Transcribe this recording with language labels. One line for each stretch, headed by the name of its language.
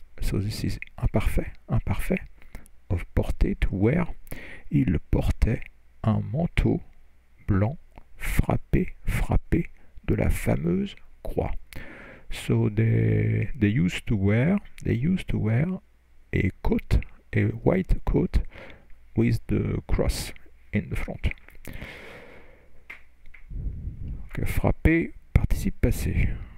English: So this is imparfait, of porter, to wear.
French: Il portait un manteau blanc frappé de la fameuse croix.
English: So they used to wear a coat, a white coat with the cross in the front.
French: Okay, frappé, participe passé.